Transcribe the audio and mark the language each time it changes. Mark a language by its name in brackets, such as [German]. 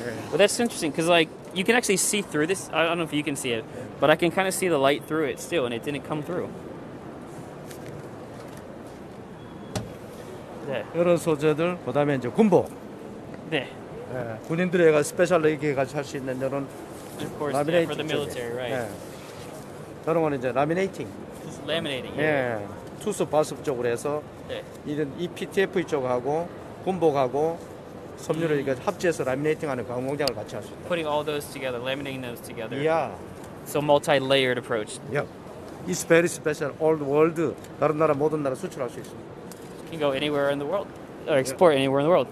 [English] Well, that's interesting because like you can actually see through this. I don't know if you can see it, but I can kind of see the light through it still, and it didn't come through. [Korean] 네. 이런 소재들, 그 다음에 이제 군복. 네. 네. 군인들이 스페셜하게 가지고 할 수 있는 이런 라미네이팅. [English] Yeah, right. [Korean] 네. 저런 건 이제 라미네이팅. [English] Laminating. [Korean] 네. 네. 투수 바습 쪽으로 해서 이런 EPTFE 쪽하고 군복하고 섬유를 합체해서 라미네이팅 하는 그런 공장을 같이 할 수 있다. [English] Putting all those together, laminating those together. Yeah. So multi-layered approach. Yeah. It's very special. All the world. [Korean] 다른 나라, 모든 나라 수출할 수 있습니다. [English] Can go anywhere in the world or export anywhere in the world.